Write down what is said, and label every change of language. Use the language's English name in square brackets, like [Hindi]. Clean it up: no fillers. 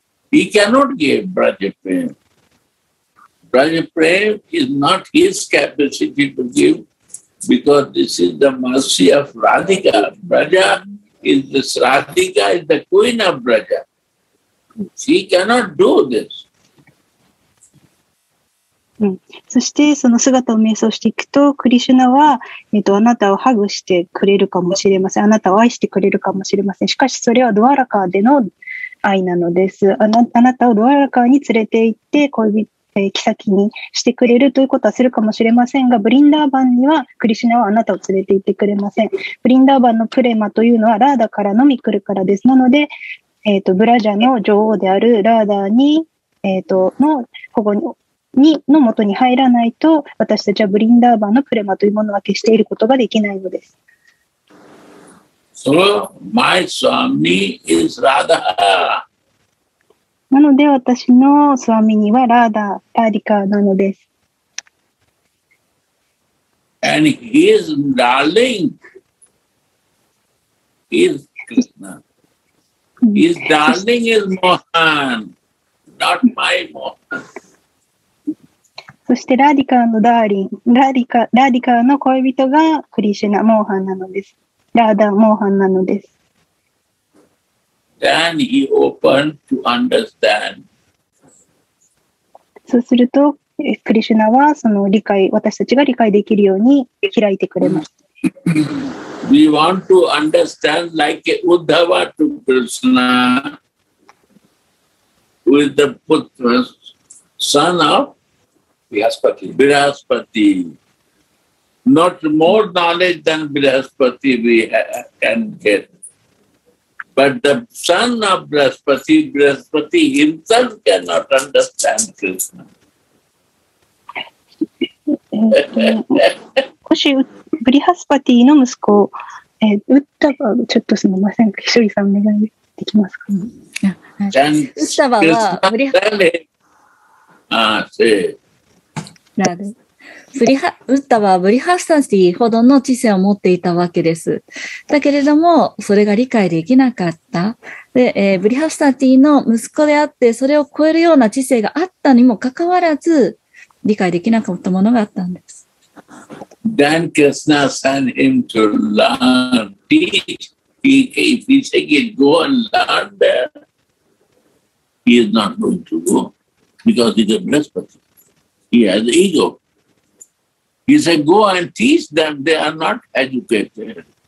[English] He cannot give Brajaprema. Brajaprema is not his capacity to give because this is the mercy of Radhika. Braja is this, Radhika is the queen of Braja. She cannot do this. [Japanese] うん、そしてその姿を瞑想していくとクリシュナは、あなたをハグしてくれるかもしれません。あなたを愛してくれるかもしれません。しかしそれはドワラカーでの愛なのです。あなたをドワラカーに連れて行って恋人、妃にしてくれるということはするかもしれませんが、ブリンダーバンにはクリシュナはあなたを連れて行ってくれません。ブリンダーバンのプレマというのはラーダからのみ来るからです。なので、ブラジャの女王であるラーダに、の保護ににの元に入らないと、私たちはブリンダーバンのプレマというものは決していることができないのです。 [English] So, my swami is Radha. [Japanese] なので私のスワミニはラーディカなのです。 [English] And his darling is Krishna. His darling is Mohan, not my Mohan. [Japanese] そしてラディカのダーリン、ラディカの恋人がクリシュナ・モーハンなのです。ラーダ・モーハンなのです。 [English] Then he opened to understand. [Japanese] そうすると、クリシュナはその理解、私たちが理解できるように開いてくれます。 [English] We want to understand like Uddhava to Krishna with the Putra, son of. Brihaspati. Not more knowledge than Brihaspati we can get. But the son of Brihaspati, Brihaspati himself cannot understand Krishna. [Japanese] もし、ブリハスパティの息子、ウッダバ、ちょっとすみません、ひしょりさんお願いできますか。ウッダバは、ブリハスパティ。ウッタはブリハスタティほどの知性を持っていたわけです。だけれども、それが理解できなかった。で、ブリハスタティの息子であって、それを超えるような知性があったにもかかわらず、理解できなかったものがあったんです。 [English] Then Krishna sent him to learn, teach. If he said, go and learn there, he is not going to go because he is a Brihaspati. He has ego. He said, go and teach them. They are not educated.